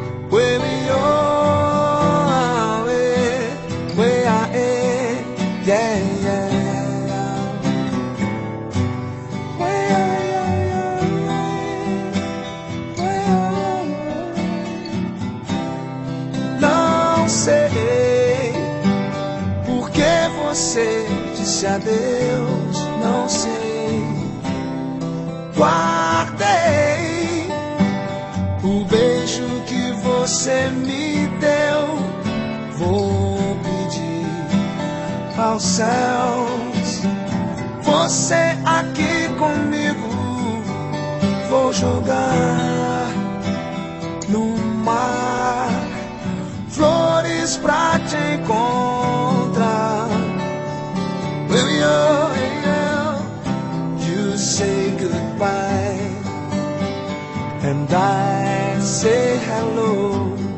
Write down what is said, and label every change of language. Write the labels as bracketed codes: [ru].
[en] Where we are, where I am, yeah, yeah, yeah. Where are you, where are you? [pt] Não sei por que você disse adeus, não sei. Guardei o beijo que você me deu. Vou pedir aos céus, você aqui comigo, vou jogar no mar flores pra te encontrar. [en] Where we are now, you say goodbye, and I say hello.